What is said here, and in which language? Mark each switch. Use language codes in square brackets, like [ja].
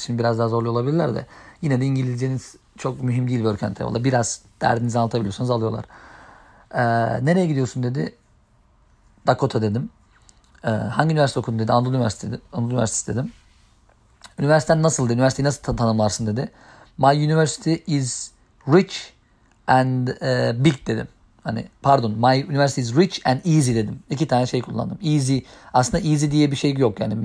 [tr] Şimdi biraz daha zorluyor olabilirler de. Yine de İngilizceniz çok mühim değil Work and Travel'da. Biraz derdinizi anlatabiliyorsanız alıyorlar. Nereye gidiyorsun dedi. Dakota dedim. Hangi üniversite okudun dedi. Anadolu Üniversitesi dedim. Üniversiten nasıldı? Üniversiteyi nasıl tanımlarsın dedi. [en] My university is rich and big [tr] dedim. Hani pardon, [en] my university is rich and easy [tr] dedim. İki tane şey kullandım. Easy, aslında easy diye bir şey yok yani.